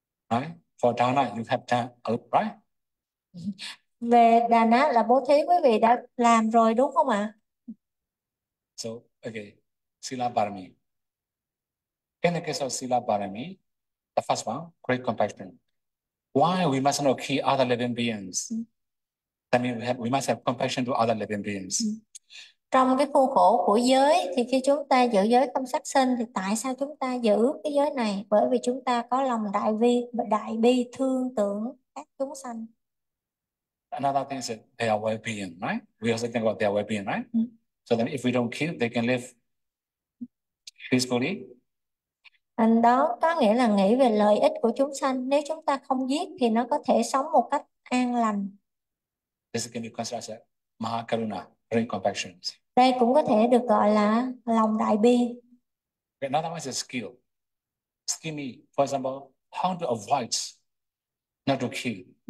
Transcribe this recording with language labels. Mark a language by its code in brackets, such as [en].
[en] Right? For dana, you have done a lot, right? parami. [vi] Về đà ná là bố thí quý vị đã làm rồi đúng không ạ? [en] So, okay, Sila Parami. In the case of Sila Parami, the first one, great compassion. Why we must not kill other living beings? That means we must have compassion to other living beings. [vi] Trong cái khuôn khổ của giới thì khi chúng ta giữ giới không sát sinh thì tại sao chúng ta giữ cái giới này? Bởi vì chúng ta có lòng đại bi, thương tưởng các chúng sanh. [en] Another thing is that they are well-being, right? We also think about their well-being, right? So then if we don't kill, they can live peacefully. [vi] Anh đó có nghĩa là nghĩ về lợi ích của chúng sanh. Nếu chúng ta không giết thì nó có thể sống một cách an lành. [en] This can be considered as a Mahakaruna, great compassion. [vi] Đây cũng có thể được gọi là lòng đại bi. [en] Another one is a skill. Skill me, for example, how to avoid not to kill.